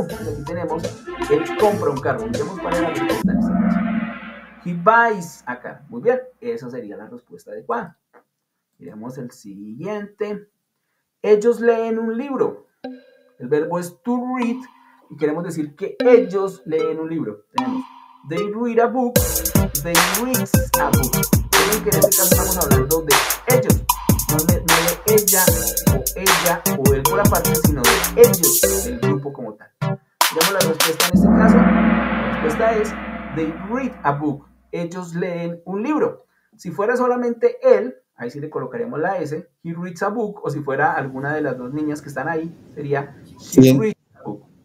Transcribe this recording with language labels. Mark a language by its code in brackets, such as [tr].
[es] Entonces aquí tenemos el compra un carro. Miremos cuál es la respuesta. [en] He buys a car. [es] Muy bien, esa sería la respuesta adecuada. Miremos el siguiente. Ellos leen un libro. El verbo es to read y queremos decir que ellos leen un libro. [en] Tenemos they read a book, they read a book. [es] Miren que en este caso estamos hablando de ellos. No de ella o él por la parte, sino de ellos, el grupo como tal. Miremos la respuesta en este caso. La respuesta es [en] they read a book. [es] Ellos leen un libro. Si fuera solamente él, ahí sí le colocaríamos la S, [en] he reads a book, [es] o si fuera alguna de las dos niñas que están ahí, sería [en] she reads a book.